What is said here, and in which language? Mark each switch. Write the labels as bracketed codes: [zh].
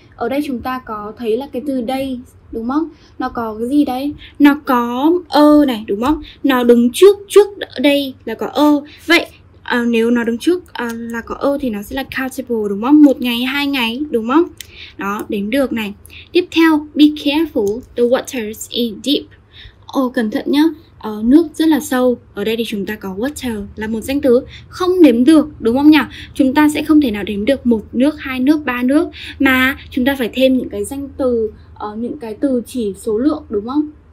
[vi] Ở đây chúng ta có thấy là cái từ day, đúng không? Nó có cái gì đây? Nó có này, đúng không? Nó đứng trước day là có Vậy nếu nó đứng trước là có thì nó sẽ là countable, đúng không? Một ngày, hai ngày, đúng không? Đó, đếm được này. Tiếp theo, [en] be careful, the water is deep. [vi] Cẩn thận nhá, nước rất là sâu. Ở đây thì chúng ta có water là một danh từ không đếm được, đúng không nhỉ? Chúng ta sẽ không thể nào đếm được một nước, hai nước, ba nước, mà chúng ta phải thêm những cái danh từ, những cái từ chỉ số lượng, đúng không?